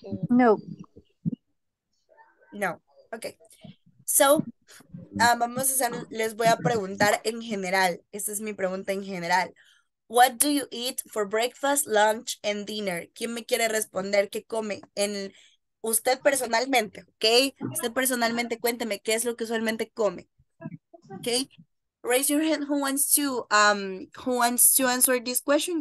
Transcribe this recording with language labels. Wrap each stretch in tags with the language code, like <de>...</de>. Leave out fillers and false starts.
<es>No. Okay. So, vamos a hacer, les voy a preguntar en general. Esta es mi pregunta en general.</es> <en>What do you eat for breakfast, lunch, and dinner?</en> <es>¿Quién me quiere responder qué come? En el, usted personalmente, ¿ok? Usted personalmente cuénteme qué es lo que usualmente come. ¿Ok?</es> <en>Raise your hand who wants to answer this question.</en>